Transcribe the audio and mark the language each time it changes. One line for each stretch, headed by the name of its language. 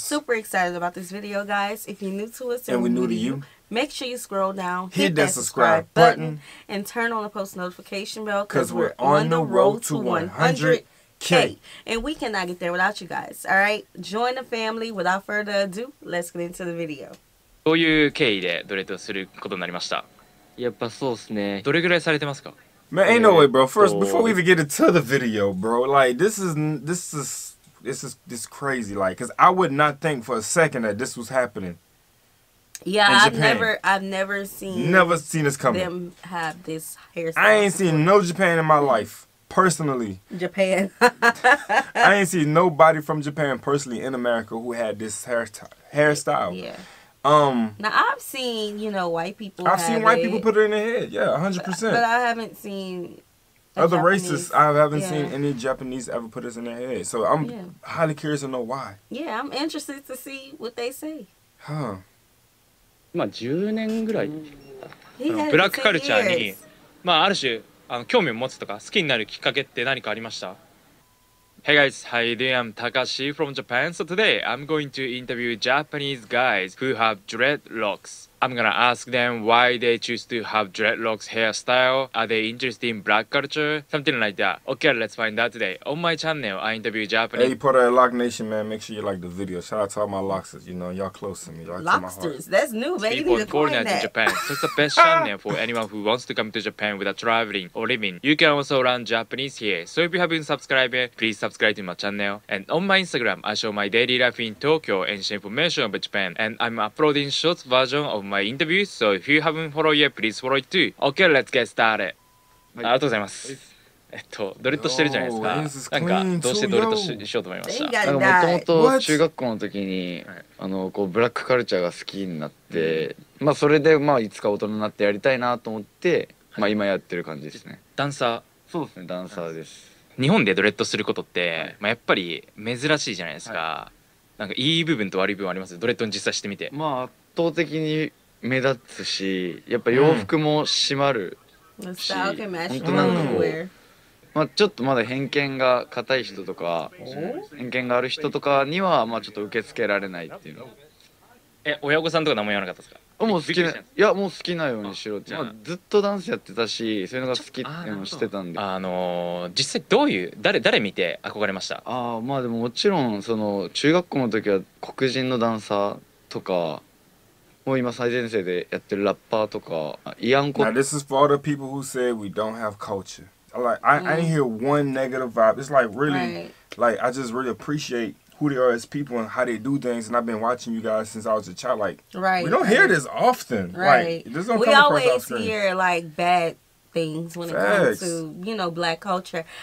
English: Super excited about this video, guys. If you're new to us, and we're new to you, make sure you scroll down, hit that subscribe button, and turn on the post notification bell, because we're on the road to 100K. And we cannot get there without you guys, all right? Join the family. Without further ado, let's get into the video.
Japanese: こういう経緯でドレッドすることになりました。やっぱそうっすね。どれぐらいされてますか?
English: Man, ain't no way, bro. First, before we even get into the video, bro, like, this is crazy. Like, because I would not think for a second that this was happening. Yeah, I've never seen... Never seen this coming. ...them have this hairstyle. I ain't seen no Japan in my life, personally. Japan. I ain't seen nobody from Japan personally in America who had this hairstyle. Yeah. Now I've seen, you know, white people. I've seen white people put it in their head. Yeah, 100%. But I haven't seen other races. I haven't seen any Japanese ever put this in their head. So I'm highly curious to know why. Yeah, I'm interested to see what they say. Huh.
Japanese: まあ10年ぐらい。ブラックカルチャーにまあある種あの興味を持つとか好きになるきっかけって何かありました?
English: Hey guys, how you doing? I'm Takashi from Japan. So today, I'm going to interview Japanese guys who have dreadlocks. I'm gonna ask them why they choose to have dreadlocks hairstyle. Are they interested in black culture? Something like that. Okay, let's find out today. On my channel, I interview Japanese. Hey, part of Lock Nation, man. Make sure you like the video. Shout out to all my Lockers. You know, y'all close to me. Y'all Locksters, that's new, man. You need to coin that. In Japan. So it's the best channel for anyone who wants to come to Japan without traveling or living. You can also learn Japanese here. So if you haven't subscribed yet, please subscribe to my channel. And on my Instagram, I show my daily life in Tokyo and share information about Japan. And I'm uploading short version of my interview, so if you haven't followed yet, please follow it too. Okay, let's get started.
Japanese: ありがとうございます。ドレッドしてるじゃないですか。なんかどうしてドレッドしようと思いました。なんかもともと中学校の時にあのこうブラックカルチャーが好きになって、まあそれでまあいつか大人になってやりたいなと思って、まあ今やってる感じですね。ダンサー。そうですね、ダンサーです。日本でドレッドすることって、まあやっぱり珍しいじゃないですか。なんかいい部分と悪い部分あります。ドレッドに実際してみて。まあ圧倒的に目立つし、やっぱ洋服も締まるし、本当なんかこう、まあちょっとまだ偏見が固い人とか、偏見がある人とかにはまあちょっと受け付けられないっていうの。え、親御さんとか何も言わなかったですか？もう好きな、いやもう好きなようにしろって、まあずっとダンスやってたし、そういうのが好きっていうのをしてたんで。実際どういう、誰見て憧れました？ああ、まあでももちろんその中学校の時は黒人のダンサーとか。もう今最前線でやってるラッパーとか、イアンコ。
English: Now this is for all the people who say we don't have culture. Like I didn't hear one negative vibe. It's like really, like I just really appreciate who they are as people and how they do things. And I've been watching you guys since I was a child. Like we don't hear this often. Right. This don't come across off screen. We always hear like bad things when it comes to, you know, black culture.